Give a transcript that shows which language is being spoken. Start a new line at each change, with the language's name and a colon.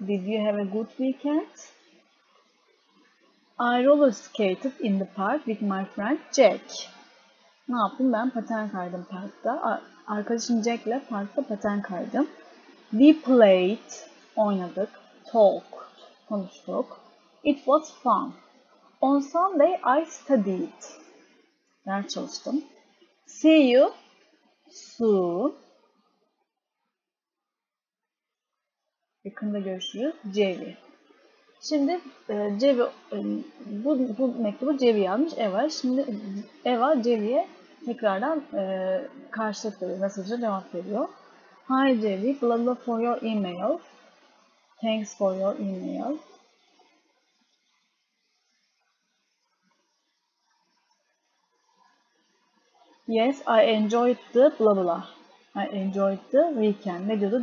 English: Did you have a good weekend? I roller skated in the park with my friend Jack.
Turkish: Ne yaptım ben? Paten kaydım parkta. Arkadaşım Jack'le parkta paten kaydım.
English: We played,
Turkish: oynadık.
English: Talk,
Turkish: konuştuk.
English: It was fun. On Sunday I studied.
Turkish: Ben çalıştım.
English: See you soon.
Turkish: Yakında görüşürüz. Cevi. Şimdi Cevi, bu mektubu Cevi yazmış. Eva. Şimdi Eva Cevi'ye tekrardan karşılık veriyor. Mesajı cevap veriyor.
English: Hi Cevi. Blah blah for your email. Thanks for your email. Yes, I enjoyed the blah blah. I enjoyed the weekend.
Turkish: Ne diyordu?